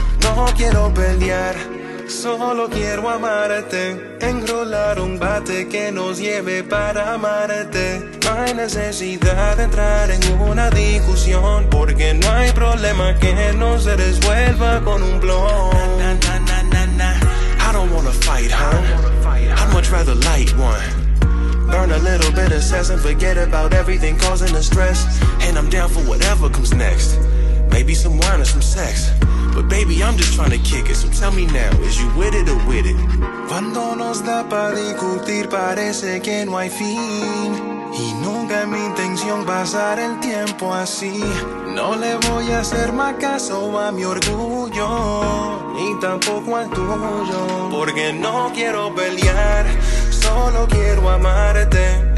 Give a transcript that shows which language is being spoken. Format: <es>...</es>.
<es>No quiero pelear, solo quiero amarte. Enrolar un bate que nos lleve para Marte. No hay necesidad de entrar en una discusión, porque no hay problema que no se resuelva con un blon. Na, na, na, na, na, na.</es> <en>I don't wanna fight, huh? I'd much rather light one. Burn a little bit of sass and forget about everything causing the stress. And I'm down for whatever comes next. Maybe some wine or some sex. But baby, I'm just trying to kick it, so tell me now, is you with it or with it?</en> <es>Cuando nos da pa' discutir parece que no hay fin. Y nunca es mi intención pasar el tiempo así. No le voy a hacer más caso a mi orgullo, ni tampoco al tuyo. Porque no quiero pelear, solo quiero amarte.</es>